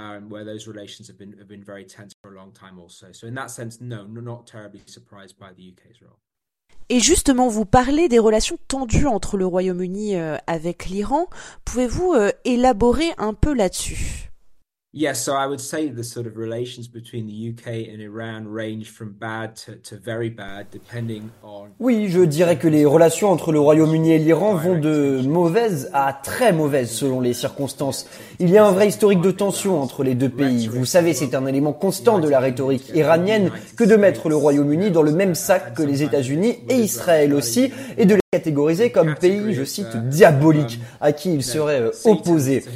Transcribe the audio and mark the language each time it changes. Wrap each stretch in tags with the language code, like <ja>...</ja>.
<en>Where those relations have been very tense for a long time also. So in that sense, no, not terribly surprised by the UK's role.</en> <fr>Et justement, vous parlez des relations tendues entre le Royaume-Uni avec l'Iran. Pouvez-vous élaborer un peu là-dessus?</fr> <en>Yes, so I would say the sort of relations between the UK and Iran range from bad to very bad, depending on.</en> <fr>Oui, je dirais que les relations entre le Royaume-Uni et l'Iran vont de mauvaises à très mauvaises selon les circonstances. Il y a un vrai historique de tension entre les deux pays. Vous savez, c'est un élément constant de la rhétorique iranienne que de mettre le Royaume-Uni dans le même sac que les États-Unis et Israël aussi, et de catégorisé comme pays, je cite, diabolique, à qui il serait opposé.</fr>